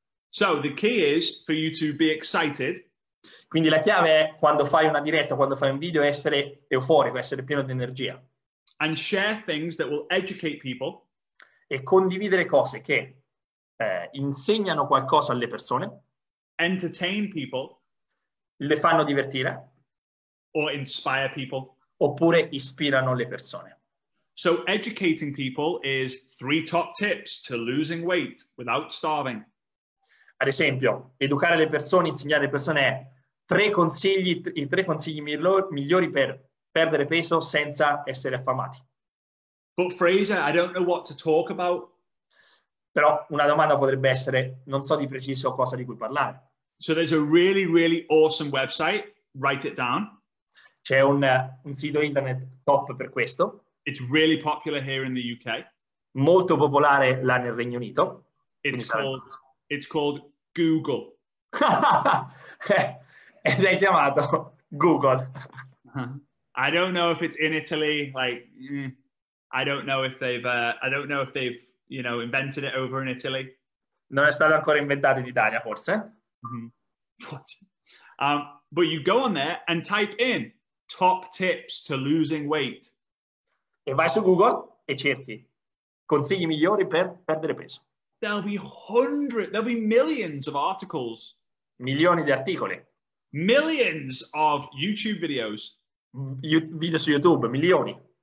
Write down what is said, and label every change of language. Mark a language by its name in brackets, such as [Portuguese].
[English] So the key is for you to be excited. [Italian] Quindi la chiave è quando fai una diretta, quando fai un video, essere euforico, essere pieno di energia. E [English] And share things that will educate people. [Italian] condividere cose che insegnano qualcosa alle persone, [English] Entertain people. [Italian] le fanno divertire, [English] Or inspire people. [Italian] oppure ispirano le persone. [English] So educating people is three top tips to losing weight without starving. [Italian] Ad esempio, educare le persone, insegnare le persone tre consigli, i tre consigli migliori per perdere peso senza essere affamati. [English] But Fraser, I don't know what to talk about. [Italian] Però una domanda potrebbe essere, non so di preciso cosa di cui parlare. [English] So there's a really, really awesome website. Write it down. [Italian] C'è un sito internet top per questo, [English] It's really popular here in the UK. [Italian] molto popolare là nel Regno Unito, quindi sarà. [English] It's called Google. [Italian] Ed è chiamato Google. [English] I don't know if it's in Italy. I don't know if they've, I don't know if they've, invented it over in Italy. [Italian] Non è stato ancora inventato in Italia, forse. [English] But you go on there and type in. top tips to losing weight. [Italian] E vai su Google e cerchi consigli migliori per perdere peso. [English] There'll be millions of articles. [Italian] Milioni di articoli. [English] Millions of YouTube videos. [Italian] Video su YouTube, milioni.